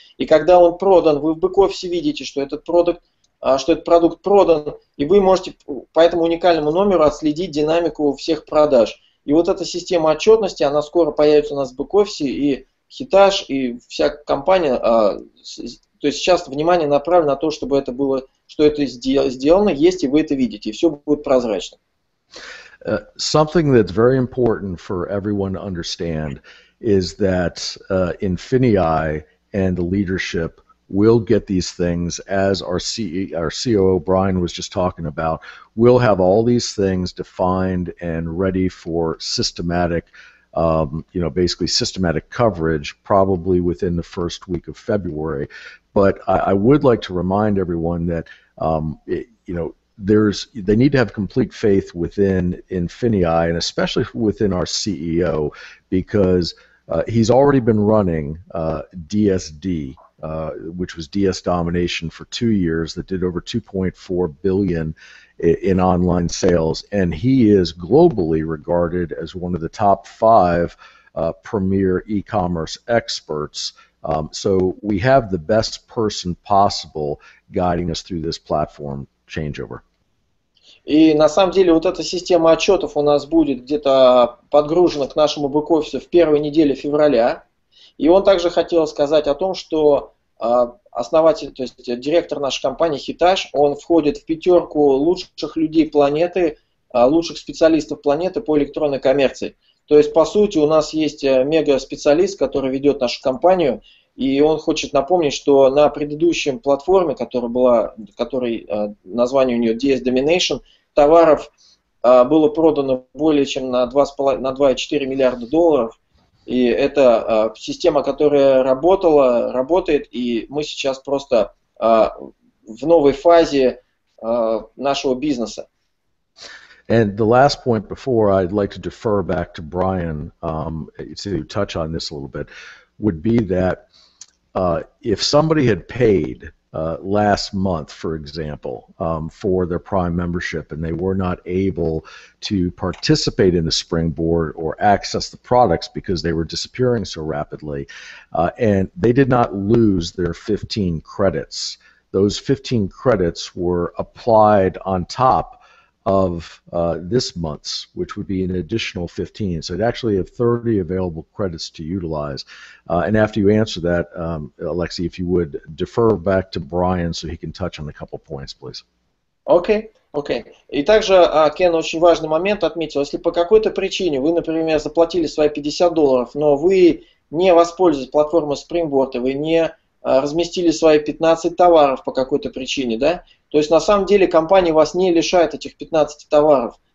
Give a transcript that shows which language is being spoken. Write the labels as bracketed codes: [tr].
[ru] И когда он продан, вы в бэк-офисе видите, что этот продукт продан, и вы можете по этому уникальному номеру отследить динамику всех продаж. И вот эта система отчетности, она скоро появится у нас в бэк-офисе, и Hitesh, и вся компания, то есть сейчас внимание направлено на то, чтобы это было, что это сделано, есть, и вы это видите, и все будет прозрачно. [en] Something that's very important for everyone to understand is that Infinii and the leadership will get these things, as our COO Brian was just talking about. We'll have all these things defined and ready for systematic, you know, basically systematic coverage probably within the first week of February. But I would like to remind everyone that, you know, they need to have complete faith within Infinii and especially within our CEO, because he's already been running DSD, which was DS Domination, for 2 years, that did over $2.4 billion in online sales, and he is globally regarded as one of the top five premier e-commerce experts So we have the best person possible guiding us through this platform changeover. [ru] И на самом деле вот эта система отчетов у нас будет где-то подгружена к нашему бэк-офису в первой неделе февраля. И он также хотел сказать о том, что основатель, то есть директор нашей компании Hitage, он входит в пятерку лучших людей планеты, лучших специалистов планеты по электронной коммерции. То есть, по сути, у нас есть мега-специалист, который ведет нашу компанию, и он хочет напомнить, что на предыдущем платформе, которая была, которой название у нее DS Domination, товаров было продано более чем на 2,4 миллиарда долларов. И это система, которая работала, работает, и мы сейчас просто в новой фазе нашего бизнеса. [en] And the last point before I'd like to defer back to Brian to touch on this a little bit would be that if somebody had paid last month, for example, for their Prime membership and they were not able to participate in the Springboard or access the products because they were disappearing so rapidly, and they did not lose their 15 credits, those 15 credits were applied on top of this month's, which would be an additional 15. So it actually have 30 available credits to utilize. And after you answer that, Alexei, if you would defer back to Brian so he can touch on a couple points, please. Okay, okay. [ru] И также, Кен, очень важный момент отметил. Если по какой-то причине вы, например, заплатили свои $50, но вы не воспользовались платформой Springboard, и вы не разместили свои 15 товаров по какой-то причине, да? То есть на самом деле компания вас не лишает этих 15 товаров.